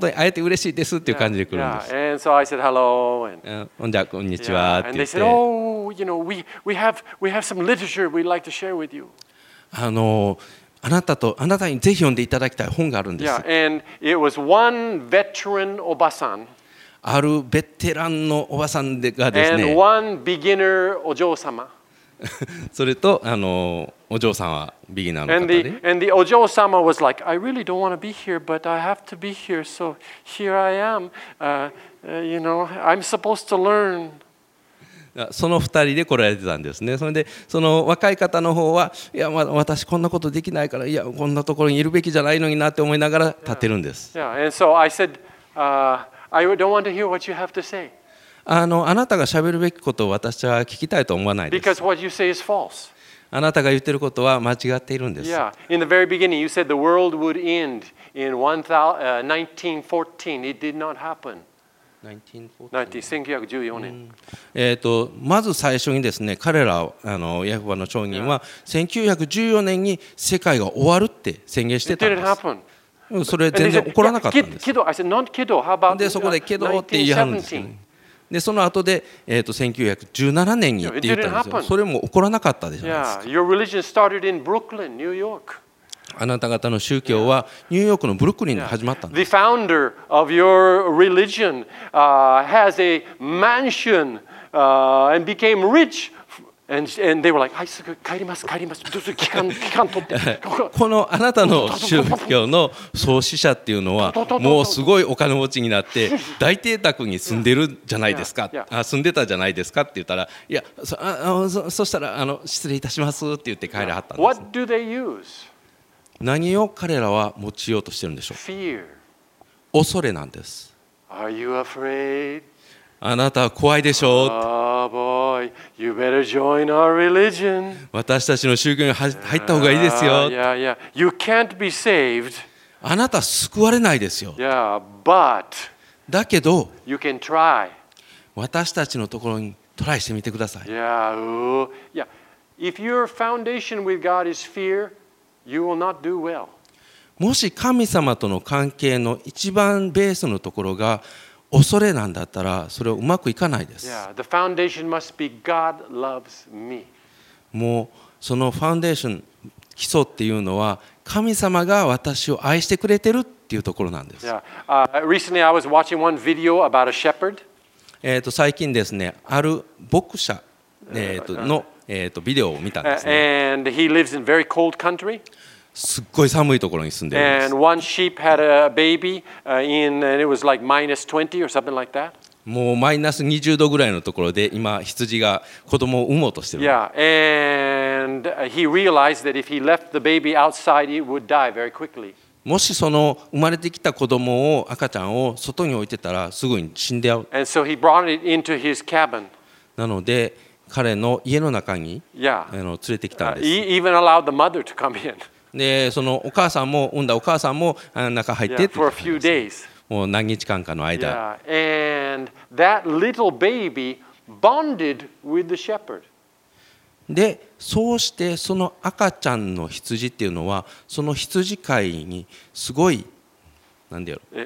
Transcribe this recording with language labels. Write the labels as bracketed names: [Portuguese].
[Japanese] 当に会えて嬉しいですっていう感じで来るんです。 [English] And so I said hello. [Japanese] じゃあこんにちはって言って、 [English] and they said, oh, you know, we have some literature we'd like to share with you. [Japanese] あのあなたとあなたにぜひ読んでいただきたい本があるんです。 [English] Yeah, and it was one veteran おばさん。 [Japanese] あるベテランのおばさんがですね。 [English] And one beginner お嬢様。 [Japanese] それとあのお嬢さんはビギナーの方で。 [English] And the お嬢様 was like, I really don't want to be here, but I have to be here, so here I am. You know, I'm supposed to learn. [Japanese] その二人で来られてたんですね。それでその若い方の方は、いや、まあ、私こんなことできないから、いや、こんなところにいるべきじゃないのになって思いながら立ってるんです。 [English] Yeah. And so I said, I don't want to hear what you have to say. [Japanese] あなたが喋るべきことを私は聞きたいと思わないです。 [English] Because what you say is false. [Japanese] あなたが言ってることは間違っているんです。 [English] Yeah. In the very beginning, you said the world would end in 1914. It did not happen. [Japanese] 1914年、まず最初にですね、彼らあのヤホバの証人は1914年に世界が終わるって宣言してたんです。それ全然起こらなかったんです。でそこでけどって言い張るんですね。でその後で、1917年にって言ったんですよ。それも起こらなかったでしょ。 [English] Your religion started in Brooklyn, New York. [Japanese] あなた方の宗教はニューヨークのブルックリンで始まったんです。 [English] The founder of your religion has a mansion and became rich. And they were like, I said, [Japanese] 帰ります帰ります。どうぞ期間取って。このあなたの宗教の創始者っていうのはもうすごいお金持ちになって大邸宅に住んでるじゃないですか。住んでたじゃないですかって言ったら、いや、そしたら失礼いたしますって言って帰らはったんです。 [English] What do they use? [Japanese] 何を彼らは持ちようとしてるんでしょう。 [English] Fear. [Japanese] 恐れなんです。 [English] Are you afraid? [Japanese] あなたは怖いでしょう。 [English] Boy, you better join our religion. [Japanese] 私たちの宗教に入った方がいいですよ。 [English] You can't be saved. [Japanese] あなたは救われないですよ。 [English] Yeah, but [Japanese] だけど [English] you can try. [Japanese] 私たちのところにトライしてみてください。 [English] Yeah, yeah. If your foundation with God is fear, you will not do well. [Japanese] もし神様との関係の一番ベースのところが恐れなんだったら、それはうまくいかないです。 [English] Yeah, the foundation must be God loves me. [Japanese] もうそのファンデーション、基礎っていうのは神様が私を愛してくれてるっていうところなんです。 [English] Yeah. Recently, I was watching one video about a shepherd. [Japanese] 最近ですね、ある牧者、の、ビデオを見たんですね。 [English] And he lives in very cold country. [Japanese] すっごい寒いところに住んでいます。 [English] And one sheep had a baby in, and it was like minus 20 or something like that. [Japanese] もうマイナス20度ぐらいのところで今羊が子供を産もうとしている。 [English] Yeah, and he realized that if he left the baby outside, it would die very quickly. [Japanese] もしその生まれてきた子供を赤ちゃんを外に置いてたらすぐに死んでやる。 [English] And so he brought it into his cabin. [Japanese] なので彼の家の中に連れてきたんです。 [English] He even allowed the mother to come in. [Japanese] でそのお母さんも産んだお母さんも中入ってって、ね、もう何日間かの間、 [English] And that little baby bonded with the shepherd. [Japanese] でそうしてその赤ちゃんの羊っていうのはその羊飼いにすごい何でやろ